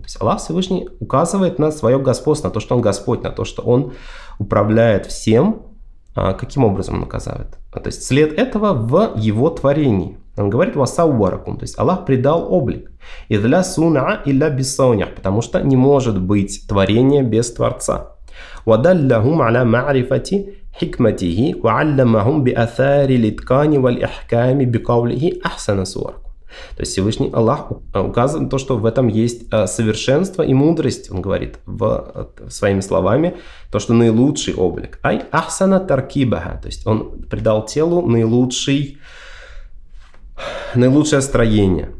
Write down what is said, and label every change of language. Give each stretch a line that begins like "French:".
Russian: То есть Аллах Всевышний указывает на свое господство, на то, что Он Господь, на то, что Он управляет всем. Каким образом Он указывает? То есть след этого в Его творении. Он говорит васаввараку, то есть Аллах придал облик. И для суна, и для бисауня, потому что не может быть творение без Творца.
Arabic: ودلهم على معرفة حكمته وعلمهم بأثار الإتقان والإحكام بقوله أحسن صورك.
Russian: То есть Всевышний Аллах указывает на то, что в этом есть совершенство и мудрость, он говорит своими словами, то, что наилучший облик.
Arabic: Ай ахсана таркибаха,
Russian: то есть он придал телу наилучшее строение.